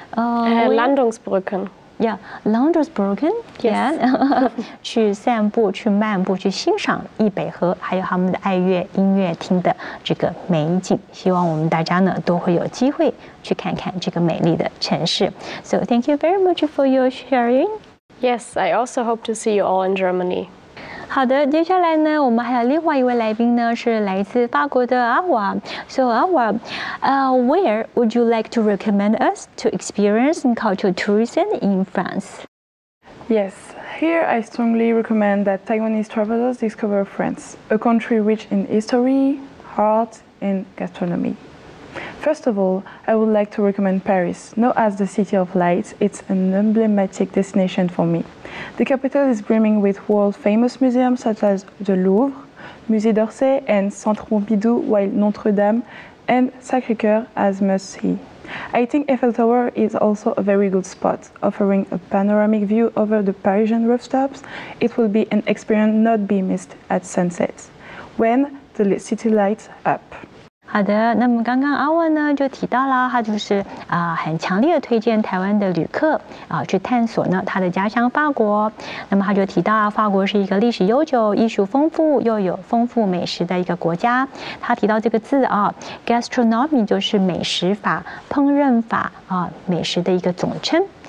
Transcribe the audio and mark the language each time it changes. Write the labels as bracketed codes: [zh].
[de] Landungsbrücken。 [en] Yeah， Landungsbrücken。 Yes。 [zh] 去散步，去漫步，去欣赏易北河，还有他们的爱乐音乐厅的这个美景。希望我们大家呢，都会有机会。去看看这个美丽的城市。 [en] So thank you very much for your sharing. Yes, I also hope to see you all in Germany. [zh] 好的，接下来呢，我们还有另外一位来宾呢，是来自法国的阿瓦。 [en] So, Awa, where would you like to recommend us to experience and cultural tourism in France? Yes, here I strongly recommend that Taiwanese travelers discover France, a country rich in history, art, and gastronomy. First of all, I would like to recommend Paris. Known as the City of Lights, it's an emblematic destination for me. The capital is brimming with world-famous museums such as the Louvre, Musée d'Orsay, and Centre Pompidou, while Notre-Dame and Sacré-Cœur as must-see. I think Eiffel Tower is also a very good spot, offering a panoramic view over the Parisian rooftops. It will be an experience not to be missed at sunset, when the city lights up. [zh] 好的，那么刚刚阿沃呢就提到了，他就是很强烈的推荐台湾的旅客去探索呢他的家乡法国。那么他就提到，法国是一个历史悠久、艺术丰富又有丰富美食的一个国家。他提到这个字gastronomy 就是美食法、烹饪法美食的一个总称。